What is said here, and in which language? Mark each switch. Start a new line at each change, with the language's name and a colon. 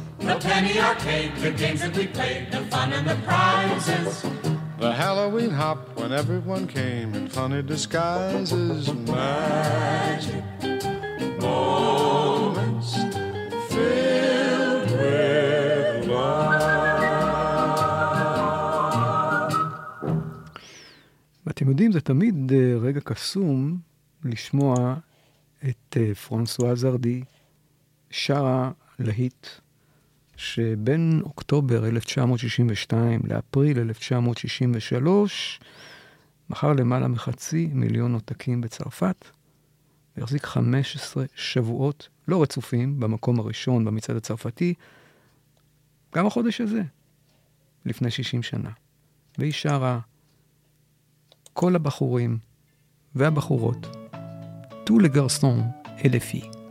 English: The penny arcade, the games that we played, the fun and the prizes. The Halloween hop when everyone came in funny disguises. Magic moments filled with love.
Hebrew: אתם יודעים, זה תמיד רגע קסום לשמוע את פרנסואה זרדי שרה להיט שבין אוקטובר 1962 לאפריל 1963 מכר למעלה מחצי מיליון עותקים בצרפת, והחזיק 15 שבועות לא רצופים במקום הראשון במצעד הצרפתי, גם החודש הזה, לפני 60 שנה. והיא שרה כל הבחורים והבחורות,
French: tous les garçons et les filles.